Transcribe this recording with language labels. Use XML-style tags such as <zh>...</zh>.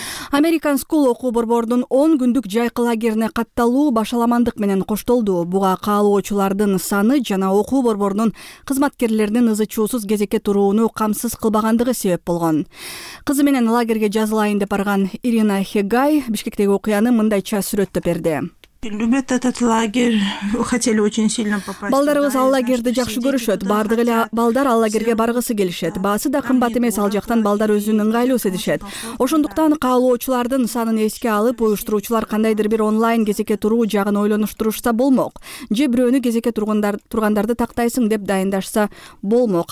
<ky>Американ School окуу борбордун 10 күндүк жайкы лагерине катталуу башаламандык менен коштолду. Буга каалоочулардын саны жана окуу борбордун кызматкерлеринин ызы чуусуз кезекке турууну камсыз кылбагандыгы себеп болгон. Кызы менен лагерге жазылайын деп барган Ирина Хегай Бишкектеги окуяны мындайча сүрөттөп берди.</ky> <ru>Любят этот лагерь, хотели очень сильно попасть.</ru> <ky>Балдарыбыз ал лагерди жакшы көрүшөт. Бардык эле балдар ал лагерге баргысы келишет. Баасы да кымбат эмес, ал жактан балдар өзүн ыңгайлуу сезишет. Ошондуктан каалоочулардын санын эске алып, уюштуруучулар кандайдыр бир онлайн кезекке туруу жагын ойлонуштурушса болмок. Же бирөөнү кезекке тургандарды тактайсың деп дайындашса болмок.</ky>